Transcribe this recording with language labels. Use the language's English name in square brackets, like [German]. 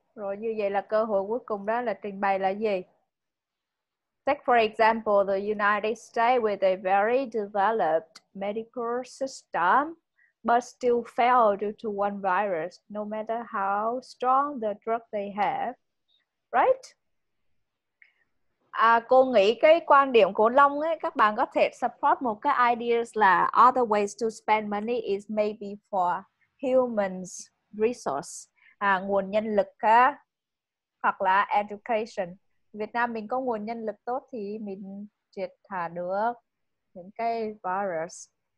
[Vietnamese] Rồi như vậy là cơ hội cuối cùng đó là trình bày là gì? [English] Take for example the United States with a very developed medical system, but still fail due to one virus, no matter how strong the drug they have, right? [Vietnamese] À, cô nghĩ cái quan điểm của Long ấy, các bạn có thể support một cái ideas là [English] other ways to spend money is maybe for humans resource, [Vietnamese] à, nguồn nhân lực á, hoặc là education. Việt Nam mình có nguồn nhân lực tốt thì mình triệt hạ được những cái virus.